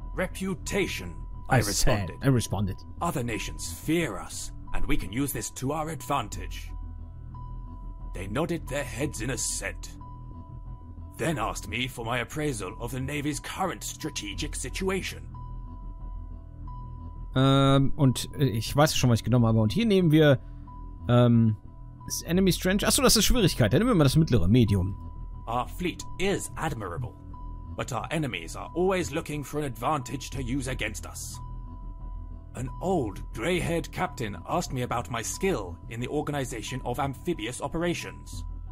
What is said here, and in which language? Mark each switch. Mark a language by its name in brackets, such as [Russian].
[English] Reputation, I responded. Other nations fear us and we can use this to our advantage. They nodded their heads in assent, then asked me for my appraisal of the Navy's current strategic situation. [German] Und ich weiß schon, was ich genommen habe. Und hier nehmen wir, das Enemy Strength. Achso, das ist Schwierigkeit. Dann nehmen wir mal das mittlere, Medium. [English] Our fleet is admirable, but our enemies are always looking for an advantage to use against us. An old, grey-haired captain asked me about my skill in the organization of amphibious operations.